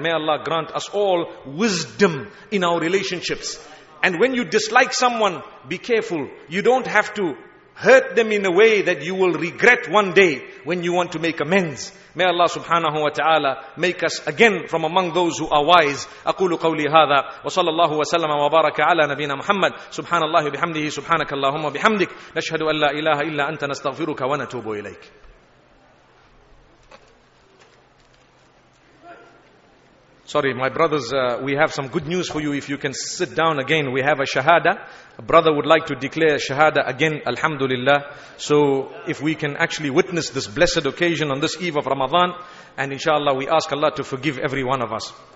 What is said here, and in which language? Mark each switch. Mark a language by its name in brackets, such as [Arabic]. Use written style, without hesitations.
[English] May Allah grant us all wisdom in our relationships. And when you dislike someone, be careful. You don't have to hurt them in a way that you will regret one day when you want to make amends. May Allah subhanahu wa ta'ala make us again from among those who are wise. [Arabic] أقول قولي هذا وصلى الله وسلم وبارك على نبينا محمد سبحان الله بحمده سبحانك اللهم بحمدك نشهد أن لا إله إلا أنت نستغفرك ونتوب إليك. [English] Sorry, my brothers, we have some good news for you. If you can sit down again, we have a shahada. A brother would like to declare shahada again, alhamdulillah. So if we can actually witness this blessed occasion on this eve of Ramadan, and inshallah we ask Allah to forgive every one of us.